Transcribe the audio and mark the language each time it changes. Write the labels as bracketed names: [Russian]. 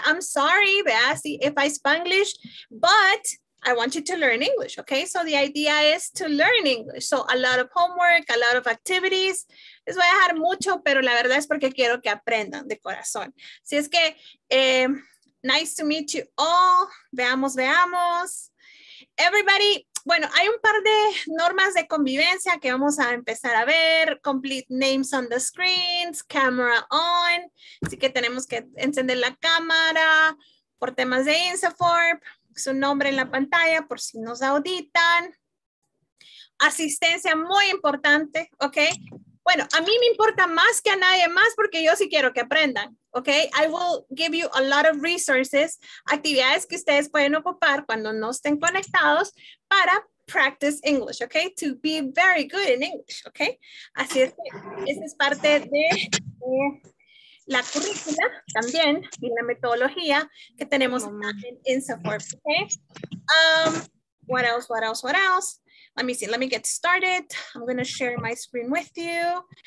[English] I'm sorry, Bea, if I Spanglish, but I want you to learn English, okay? So the idea is to learn English. So a lot of homework, a lot of activities. [Spanish] Les voy a dejar mucho, pero la verdad es porque quiero que aprendan de corazón. Así es que, [English] nice to meet you all. [Spanish] Veamos, veamos. Everybody, bueno, hay un par de normas de convivencia que vamos a empezar a ver. [English] Complete names on the screens, camera on. [Spanish] Así que tenemos que encender la cámara por temas de INSAFORP. Su nombre en la pantalla por si nos auditan. Asistencia muy importante, ¿ok? Bueno, a mí me importa más que a nadie más porque yo sí quiero que aprendan, ¿ok? [English] I will give you a lot of resources, [Spanish] actividades que ustedes pueden ocupar cuando no estén conectados para [English] practice English, [Spanish] ¿ok? [English] To be very good in English, ¿ok? [Spanish] Así es que esa es parte de la currícula también y la metodología que tenemos en INSAFORP, ¿ok? [English] What else? Let me get started. I'm going to share my screen with you.